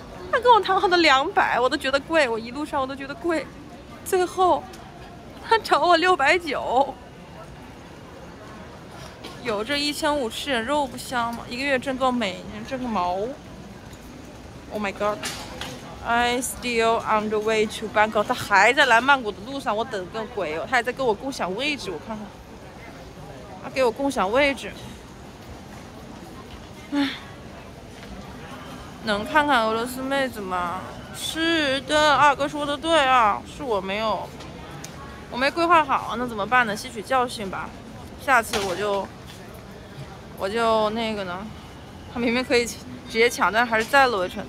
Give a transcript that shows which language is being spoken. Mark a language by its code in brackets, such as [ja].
[zh] 他跟我谈好的200，我都觉得贵，我一路上我都觉得贵，最后他找我690，有这1500吃点肉不香吗？一个月挣够美金，挣个毛。 [en] Oh my god, I still on the way to Bangkok. [zh] 他还在来曼谷的路上，我等个鬼哦！他还在跟我共享位置，我看看，他给我共享位置。唉，能看看俄罗斯妹子吗？是的，二哥说的对啊，是我没有，我没规划好，那怎么办呢？吸取教训吧，下次我就那个呢，他明明可以直接抢，但还是再录一程。